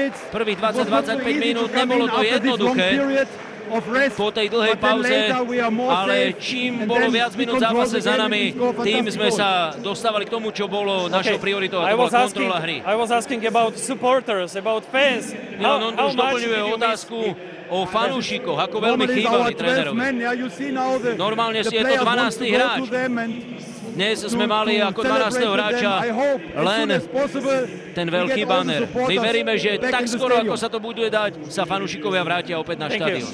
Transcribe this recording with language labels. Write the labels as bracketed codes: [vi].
[sk] Prvých 20-25 minút nebolo to jednoduché po tej dlhej pauze, ale čím bolo viac minút zápase za nami, tým sme sa dostávali k tomu, čo bolo našou prioritou, to bola kontrola hry. [en] I was asking about supporters, about fans. [sk] On už doplňuje otázku o fanúšikoch, ako veľmi chýbali trénerovi. Normálne je to 12. hráč. dnes sme mali ako 12. hráča len ten veľký banner. My veríme, že tak skoro, ako sa to bude dať, sa fanúšikovia vrátia opäť na štadión.